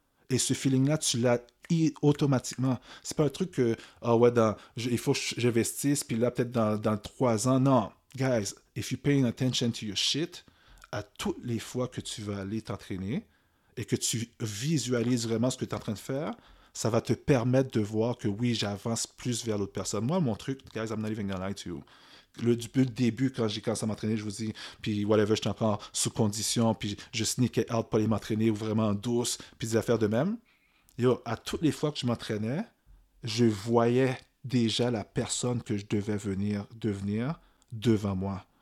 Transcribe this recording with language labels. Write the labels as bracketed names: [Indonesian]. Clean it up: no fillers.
[French] Et ce feeling-là, tu l'as automatiquement. C'est pas un truc que, ah oh ouais, il faut que j'investisse, puis là, peut-être dans 3 ans. Non, guys, [English] if you're paying attention to your shit, [French] à toutes les fois que tu vas aller t'entraîner et que tu visualises vraiment ce que tu es en train de faire, ça va te permettre de voir que oui, j'avance plus vers l'autre personne. Moi, mon truc, [English] guys, I'm not even gonna lie to you. [French] Le début, quand j'ai commencé à m'entraîner, je vous dis, puis whatever, j'étais encore sous condition, puis je sneakais out pour aller m'entraîner, ou vraiment en douce, puis des affaires de même. Yo, à toutes les fois que je m'entraînais, je voyais déjà la personne que je devais devenir devant moi.